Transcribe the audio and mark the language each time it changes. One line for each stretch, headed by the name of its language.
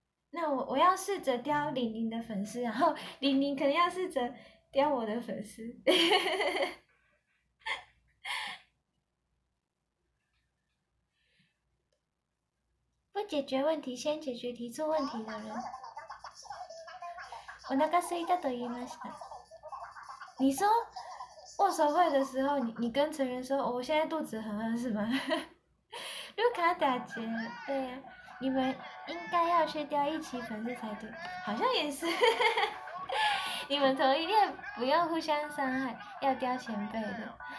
Chinese: 那我要试着雕玲玲的粉丝，然后玲玲可能要试着雕我的粉丝。不解决问题，先解决提出问题的人。
Japanese: お腹すいたと言いました。
Chinese: 你说握手会的时候，你跟成员说、哦、我现在肚子很饿是吗？卢卡打结了，对呀、啊，你们应该要去钓一起粉丝才对，好像也是。你们同一列不用互相伤害，要钓前辈的。